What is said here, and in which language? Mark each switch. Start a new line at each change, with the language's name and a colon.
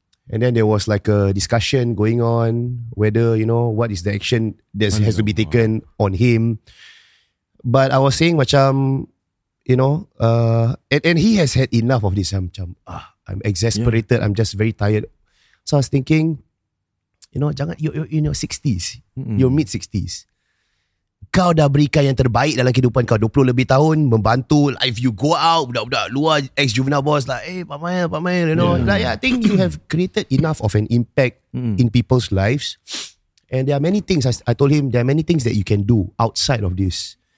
English: And then there was like a discussion going on whether, you know, what is the action that has to be taken on him. But I was saying macam, you know, and he has had enough of this. I'm exasperated. Yeah. I'm just very tired. So I was thinking, you know,
Malay: jangan,
English: you're in your 60s. Mm-hmm. You're mid-60s.
Malay: Kau dah berikan yang terbaik dalam kehidupan kau 20 lebih tahun membantu.
English: If you go out,
Malay: budak-budak luar,
English: ex-juvenile boss lah, eh, Pak Mail, you know. Yeah. Like, I think you have created enough of an impact in people's lives. And there are many things, I told him, there are many things that you can do outside of this.